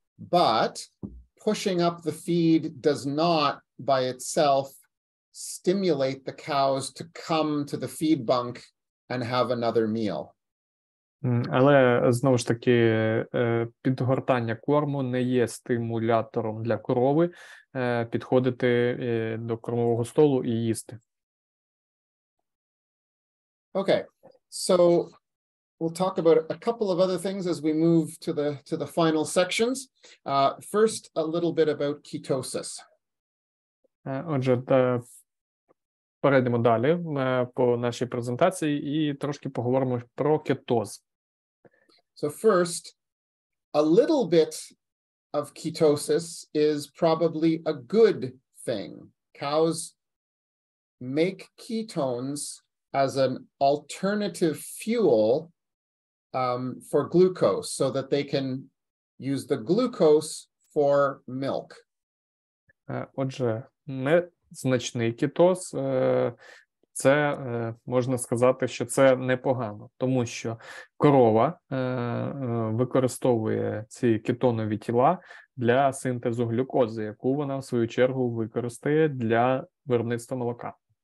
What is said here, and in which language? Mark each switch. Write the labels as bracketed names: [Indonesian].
[English] But pushing up the feed does not by itself stimulate the cows to come to the feed bunk and have another meal. [Ukrainian] Але, знову ж таки, підгортання корму не є стимулятором для корови підходити до кормового столу і їсти. [English] Okay, so we'll talk about a couple of other things as we move to the final sections. First, a little bit about ketosis. [Ukrainian] Отже, перейдемо далі по нашій презентації і трошки поговоримо про кетоз. [English] So first, a little bit of ketosis is probably a good thing. Cows make ketones as an alternative fuel for glucose so that they can use the glucose for milk. [Ukrainian] Отже, незначний кетоз це можна сказати, що це непогано, тому що корова використовує ці кетонові тіла для синтезу глюкози, яку вона в свою чергу використає для виробництва молока.